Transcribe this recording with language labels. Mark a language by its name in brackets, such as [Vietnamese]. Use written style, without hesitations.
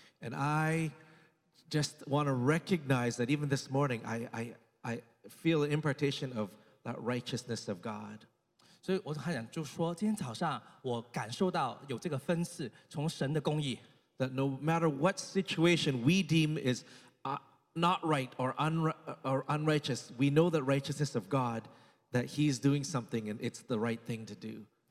[English] And I just want to recognize that even this morning, I feel an impartation of that righteousness of God. [Chinese] 所以我就想就说，今天早上我感受到有这个分次，从神的公义。 [English] That no matter what situation we deem is not right or unrighteous, we know that righteousness of God, that He's doing something and it's the right thing to do.